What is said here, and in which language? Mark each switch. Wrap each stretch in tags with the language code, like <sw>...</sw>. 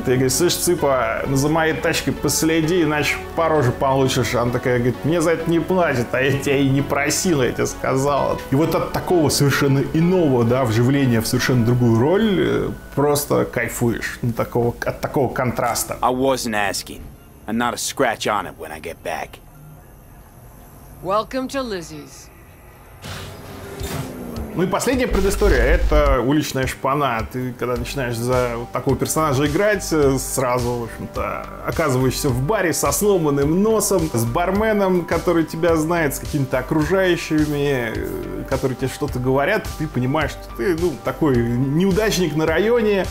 <ru>Ты говоришь: слышь, цыпа, за моей тачкой последи, иначе по роже получишь. Она такая говорит: мне за это не платят, а я тебя и не просила, я тебе сказала. И вот от такого совершенно иного, да, вживления в совершенно другую роль просто кайфуешь, ну, такого, от такого контраста.</ru> <en>I wasn't asking. I'm not a scratch on it when I get back. Welcome to Lizzie's.</en> <ru>Ну и последняя предыстория — это уличная шпана. Ты, когда начинаешь за вот такого персонажа играть, сразу, в общем-то, оказываешься в баре со сломанным носом, с барменом, который тебя знает, с какими-то окружающими, которые тебе что-то говорят, ты понимаешь, что ты, ну, такой неудачник на районе.</ru>